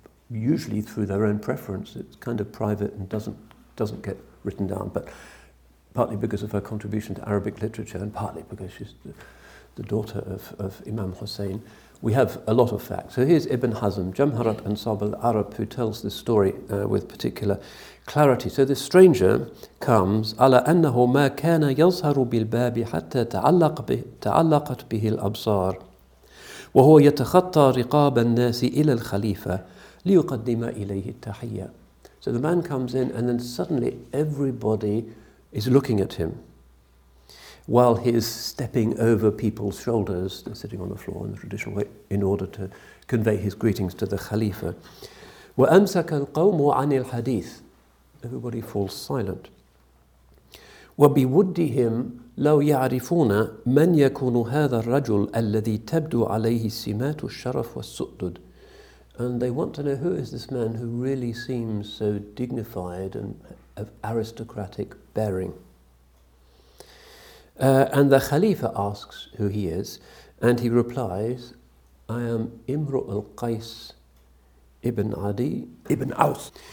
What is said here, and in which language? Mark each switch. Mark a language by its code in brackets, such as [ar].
[en] usually through their own preference. It's kind of private and doesn't get written down, but partly because of her contribution to Arabic literature and partly because she's the daughter of Imam Hussein, we have a lot of facts. So here's Ibn Hazm, Jamharat Ansab al-Arab, who tells this story with particular clarity. So this stranger comes, [ar] عَلَىٰ أَنَّهُ مَا كَانَ يَظْهَرُ بِالْبَابِ حَتَّى تَعَلَّقَتْ بِهِ الْأَبْصَارِ وهو يتخطى رقاب الناس إلى الخليفة ليقدم إليه التحية. So the man comes in and then suddenly everybody is looking at him while he is stepping over people's shoulders, they're sitting on the floor in the traditional way, in order to convey his greetings to the Khalifa. وأمسك القوم عن الحديث. [en] Everybody falls silent. [ar] وبودهم لو يعرفون من يكون هذا الرجل الذي تبدو عليه سمات الشرف والسؤدد. [en] And they want to know, who is this man who really seems so dignified and of aristocratic bearing? And the Khalifa asks who he is, and he replies, I am Imru al-Qais ibn Adi ibn Aus.